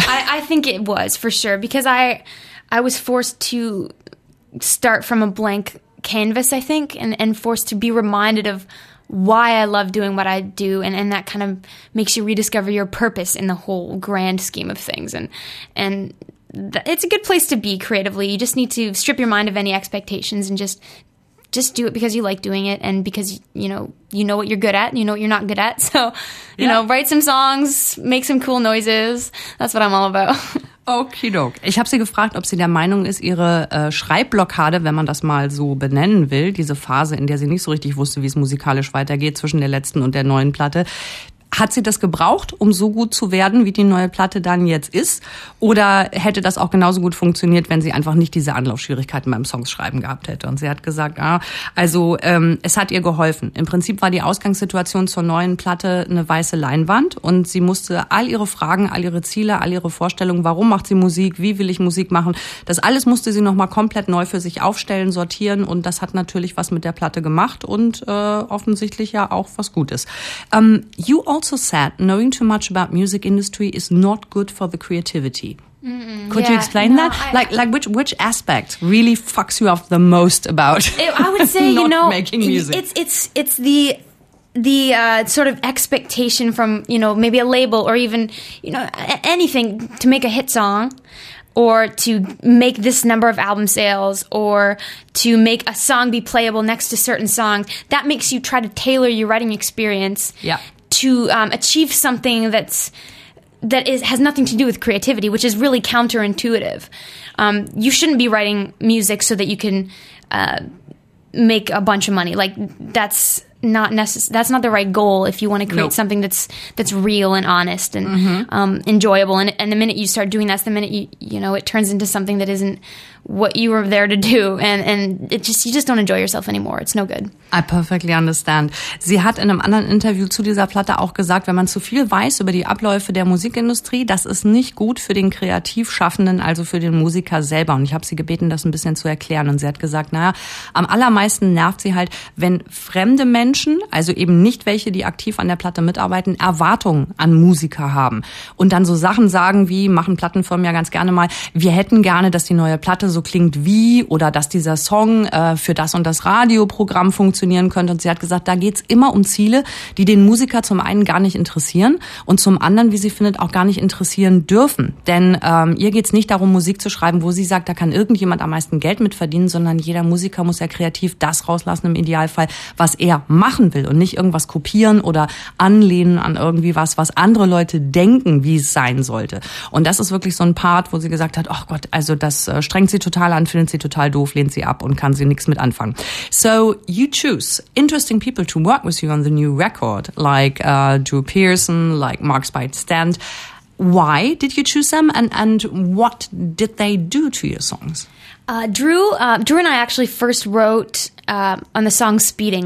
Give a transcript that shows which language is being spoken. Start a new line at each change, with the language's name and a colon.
English: I think it was for sure because I was forced to start from a blank canvas, I think, and forced to be reminded of why I love doing what I do, and that kind of makes you rediscover your purpose in the whole grand scheme of things, and it's a good place to be creatively. You just need to strip your mind of any expectations and just do it because you like doing it and because, you know what you're good at and you know what you're not good at. So, you know, write some songs, make some cool noises. That's what I'm all about.
German: Okidoki. Ich habe sie gefragt, ob sie der Meinung ist, ihre Schreibblockade, wenn man das mal so benennen will, diese Phase, in der sie nicht so richtig wusste, wie es musikalisch weitergeht zwischen der letzten und der neuen Platte, hat sie das gebraucht, um so gut zu werden, wie die neue Platte dann jetzt ist? Oder hätte das auch genauso gut funktioniert, wenn sie einfach nicht diese Anlaufschwierigkeiten beim Songschreiben gehabt hätte? Und sie hat gesagt, es hat ihr geholfen. Im Prinzip war die Ausgangssituation zur neuen Platte eine weiße Leinwand und sie musste all ihre Fragen, all ihre Ziele, all ihre Vorstellungen, warum macht sie Musik, wie will ich Musik machen, das alles musste sie nochmal komplett neu für sich aufstellen, sortieren und das hat natürlich was mit der Platte gemacht und offensichtlich ja auch was Gutes.
English: You also said knowing too much about music industry is not good for the creativity. Mm-mm. Could you explain that? Which aspect really fucks you up the most about? I would say making music. It's the sort of expectation from maybe a label or even anything to make a hit song or to make this number of album sales or to make a song be playable next to certain songs that makes you try to tailor your writing experience. Yeah. To achieve something that has nothing to do with creativity, which is really counterintuitive. You shouldn't be writing music so that you can make a bunch of money. Like that's not the right goal if you want to create something that's real and honest and enjoyable. And the minute you start doing that, the minute you it turns into something that isn't what you were there to do, and it just you just don't enjoy yourself anymore. It's no good. I perfectly understand.
German: Sie hat in einem anderen Interview zu dieser Platte auch gesagt, wenn man zu viel weiß über die Abläufe der Musikindustrie, das ist nicht gut für den Kreativschaffenden, also für den Musiker selber. Und ich habe sie gebeten, das ein bisschen zu erklären. Und sie hat gesagt, am allermeisten nervt sie halt, wenn fremde Menschen, also eben nicht welche, die aktiv an der Platte mitarbeiten, Erwartungen an Musiker haben und dann so Sachen sagen wie, machen Plattenfirmen ja ganz gerne mal, wir hätten gerne, dass die neue Platte so klingt wie oder dass dieser Song für das und das Radioprogramm funktionieren könnte. Und sie hat gesagt, da geht es immer um Ziele, die den Musiker zum einen gar nicht interessieren und zum anderen, wie sie findet, auch gar nicht interessieren dürfen. Denn ihr geht es nicht darum, Musik zu schreiben, wo sie sagt, da kann irgendjemand am meisten Geld mit verdienen, sondern jeder Musiker muss ja kreativ das rauslassen im Idealfall, was er machen will und nicht irgendwas kopieren oder anlehnen an irgendwie was, was andere Leute denken, wie es sein sollte. Und das ist wirklich so ein Part, wo sie gesagt hat, oh Gott, also das strengt sie total an, findet sie total doof, lehnt sie ab und kann sie nichts mit anfangen.
English: So you choose interesting people to work with you on the new record, like Drew Pearson, like Mark Spite-Stand. Why did you choose them and what did they do to your songs? Drew and I actually first wrote on the song Speeding.